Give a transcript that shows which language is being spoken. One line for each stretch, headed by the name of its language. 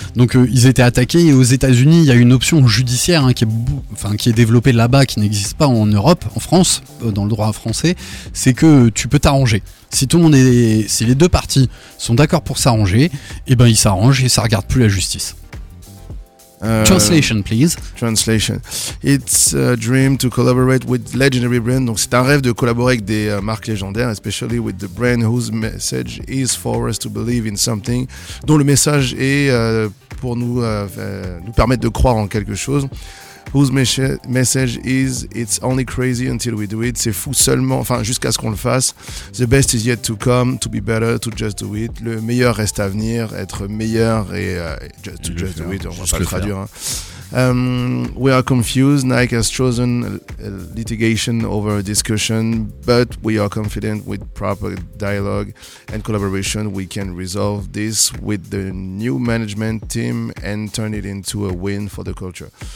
French: Donc, ils étaient attaqués et aux États-Unis, il y a une option judiciaire qui est développée là-bas, qui n'existe pas en Europe, en France, dans le droit français. C'est que tu peux t'arranger. Si les deux parties sont d'accord pour s'arranger, et ben ils s'arrangent et ça regarde plus la justice.
English: Translation, please. Translation. It's a dream to collaborate with legendary brands.
French: Donc, c'est un rêve de collaborer avec des marques légendaires,
English: especially with the brand whose message is for us to believe in something,
French: dont le message est pour nous permettre de croire en quelque chose.
English: Whose message is it's only crazy until we do it.
French: C'est fou seulement, enfin, jusqu'à ce qu'on le fasse.
English: The best is yet to come, to be better, to just do it.
French: Le meilleur reste à venir, être meilleur et
English: just do it.
French: On va pas le traduire.
English: Hein. We are confused. Nike has chosen litigation over a discussion, but we are confident with proper dialogue and collaboration we can resolve this with the new management team and turn it into a win for the culture.